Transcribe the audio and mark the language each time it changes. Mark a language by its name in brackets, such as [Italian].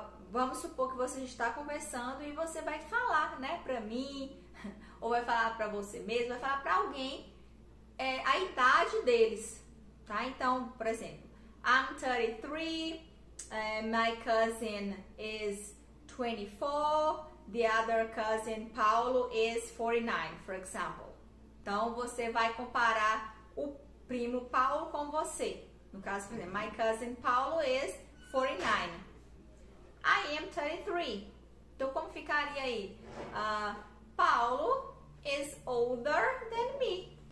[Portuguese] Vamos supor que você está conversando e você vai falar, né, pra mim, ou vai falar pra você mesmo, vai falar pra alguém, a idade deles, tá? Então, por exemplo, [English] I'm 33, my cousin is 24, the other cousin, Paulo, is 49, for example. [Portuguese] Então, você vai comparar o primo Paulo com você. No caso, por exemplo, [English] my cousin Paulo is 49. I am 33. [Portuguese] Então, como ficaria aí? [English] Paulo is older than me.